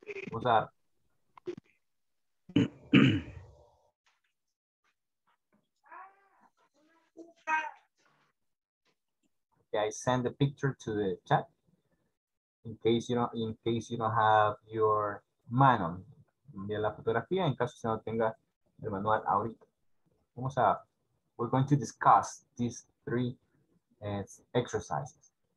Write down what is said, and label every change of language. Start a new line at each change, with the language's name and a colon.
English: What's that? Okay, I send the picture to the chat in case you don't, have your manual.
Spanish: Envía la fotografía en caso no tenga el manual ahorita. Vamos a,
English: we're going to discuss these three exercises.